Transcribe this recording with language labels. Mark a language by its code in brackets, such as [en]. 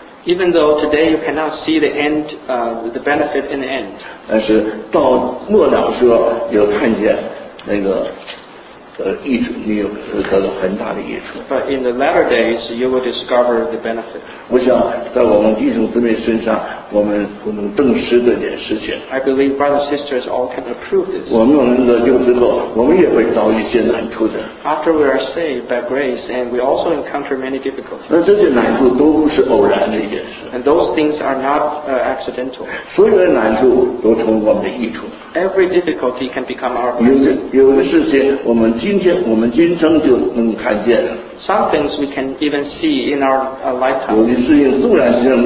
[en] Even though today you cannot see the end, the benefit in the end. [zh] 但是到末了时候，要看见那个益处，你有得到很大的益处。 [en] But in the latter days, you will discover the benefit. [zh] 我想在我们弟兄姊妹身上，我们不能证实这件事情。 [en] I believe brothers and sisters all can approve this. [zh] 我们能得救之后，我们也会遭遇一些难处的。 [en] After we are saved by grace, and we also encounter many difficulties. [zh] 那这些难处都是偶然的一件事。 [en] And those things are not accidental. [zh] 所有的难处都成我们的益处。 [en] Every difficulty can become our blessing. [zh] 有的事情我们 [en] Some things we can even see in our lifetime.